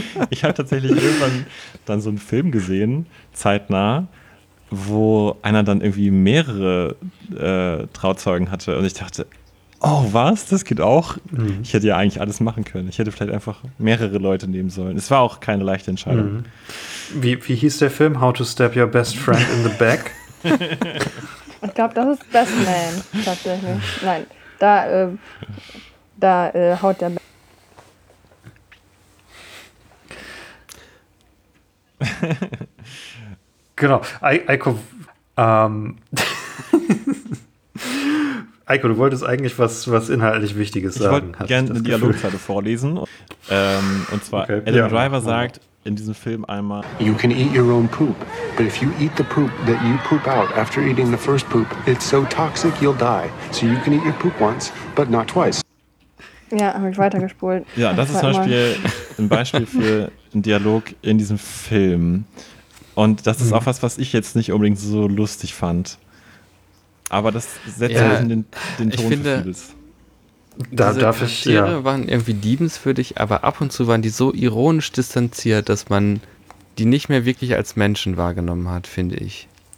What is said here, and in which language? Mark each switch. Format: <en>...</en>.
<de>Ich habe tatsächlich irgendwann dann so einen Film gesehen, zeitnah, wo einer dann irgendwie mehrere Trauzeugen hatte. Und ich dachte, oh was, das geht auch? Mhm. Ich hätte ja eigentlich alles machen können. Ich hätte vielleicht einfach mehrere Leute nehmen sollen. Es war auch keine leichte Entscheidung. Mhm. Wie hieß der Film?</de> <en>How to Stab Your Best Friend in the Back?</en> <de>Ich glaube, das ist Best Man. Tatsächlich. Nein, da haut der Genau. Eiko, Eiko, du wolltest eigentlich was inhaltlich Wichtiges sagen. Ich wollte gerne eine Dialogzeile vorlesen. Und zwar, okay. Adam Driver sagt, in diesem Film einmal.</de> <en>You can eat your own poop, but if you eat the poop that you poop out after eating the first poop, it's so toxic you'll die. So you can eat your poop once, but not twice.</en> <de>Ja, habe ich weitergespult. Ja, das ist zum Beispiel ein Beispiel für einen Dialog in diesem Film. Und das ist auch was, was ich jetzt nicht unbedingt so lustig fand. Aber das setzt ja den Ton, ich finde, für vieles. Da, diese darf ich, Tiere waren irgendwie liebenswürdig, aber ab und zu waren die so ironisch distanziert, dass man die nicht mehr wirklich als Menschen wahrgenommen hat, finde ich.</de>